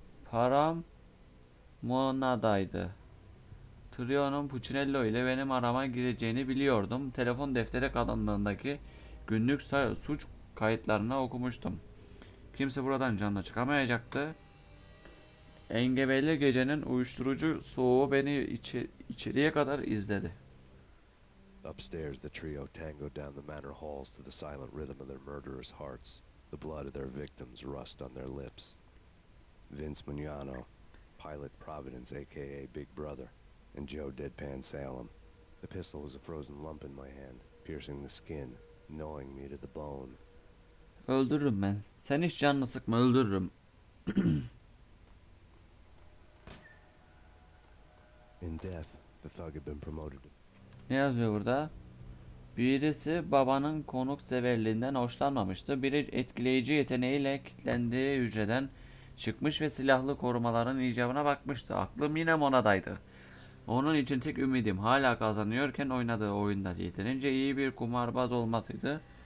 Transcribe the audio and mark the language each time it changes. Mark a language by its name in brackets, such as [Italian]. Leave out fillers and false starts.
[Turkish] Param Mona'daydı. Trio'nun Puccinello ile benim arama gireceğini biliyordum. Telefon defteri kalınlığındaki günlük suç kayıtlarını okumuştum. Kimse buradan canlı çıkamayacaktı. Engebeli gecenin uyuşturucu soğuğu beni içeriye kadar izledi. [English] Upstairs, the trio tangoed down the manor halls to the silent rhythm of their murderous hearts. The blood of their victims rust on their lips. Vince Mugnano, Pilot Providence, aka Big Brother, and Joe Deadpan Salem. The pistol was a frozen lump in my hand, piercing the skin, gnawing me to the bone. [Turkish] Öldürürüm ben. Sen hiç canını sıkma, öldürürüm. [English] In death, the thug had been promoted. [Turkish] Ne yazıyor burada? Birisi babanın konukseverliğinden hoşlanmamıştı. Biri etkileyici yeteneğiyle kilitlendiği hücreden çıkmış ve silahlı korumaların icabına bakmıştı. Aklım yine Mona'daydı. Onun için tek ümidim hala kazanıyorken oynadığı oyunda yeterince iyi bir kumarbaz olmasıydı.